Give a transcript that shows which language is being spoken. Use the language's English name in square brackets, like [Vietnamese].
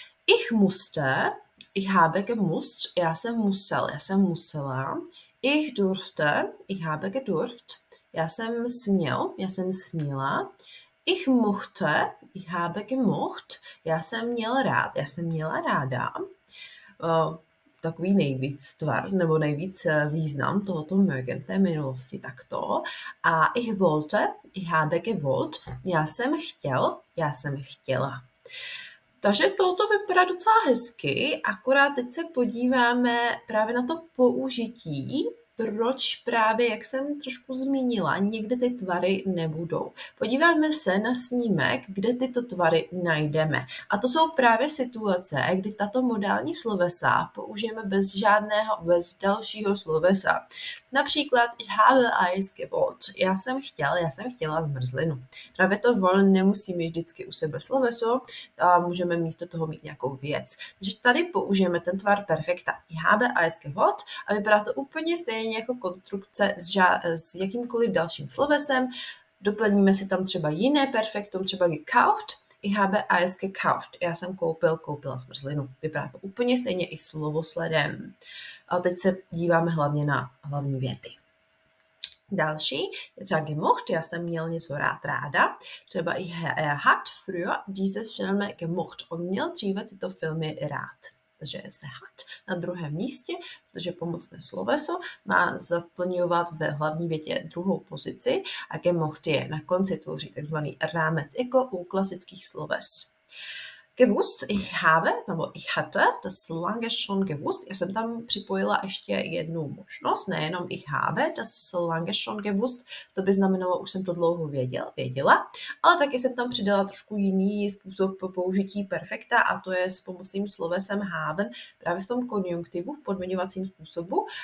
[German] Ich musste, ich habe gemusst, [Czech] já jsem musel, já jsem musela. [German] Ich durfte, ich habe gedurft, [Czech] já jsem směl, já jsem směla. [German] Ich mochte, ich habe gemocht, [Czech] já jsem měl rád, já jsem měla ráda. Takový nejvíc tvar, nebo nejvíc význam tohoto mögen, té minulosti, takto. A [German] ich wollte, ich habe gewollt, [Czech] já jsem chtěl, já jsem chtěla. Takže toto vypadá docela hezky, akorát teď se podíváme právě na to použití, proč právě, jak jsem trošku zmínila, někde ty tvary nebudou. Podíváme se na snímek, kde tyto tvary najdeme. A to jsou právě situace, kdy tato modální slovesa použijeme bez žádného, bez dalšího slovesa. Například, [German] ich habe Eis gewollt. [Czech] Já jsem chtěla zmrzlinu. Právě to wollen nemusí mít vždycky u sebe sloveso, a můžeme místo toho mít nějakou věc. Takže tady použijeme ten tvar perfekta. [German] Ich habe Eis gewollt [Czech] a vypadá to úplně stejně jako konstrukce s jakýmkoliv dalším slovesem. Doplníme si tam třeba jiné perfektum, třeba gekauft, [German] ich habe Eis gekauft. [Czech] Já jsem koupil, koupila zmrzlinu. Vypadá to úplně stejně i slovosledem. A teď se díváme hlavně na hlavní věty. Další je třeba gemocht, já jsem měl něco rád, ráda. Třeba [German] ich er hat früher dieses Filme gemocht. [Czech] On měl dříve tyto filmy rád. Takže se hat na druhém místě, protože pomocné sloveso má zaplňovat ve hlavní větě druhou pozici a gemocht je na konci, tvoří takzvaný rámec jako u klasických sloves. [German] Gewusst, ich habe, [Czech] nebo [German] ich hatte, das lange schon gewusst. [Czech] Já jsem tam připojila ještě jednu možnost, nejenom [German] ich habe, das lange schon gewusst. [Czech] To by znamenalo, už jsem to dlouho věděla. Ale taky jsem tam přidala trošku jiný způsob použití perfekta, a to je s pomocným slovesem haben, právě v tom konjunktivu, v podmiňovacím způsobu.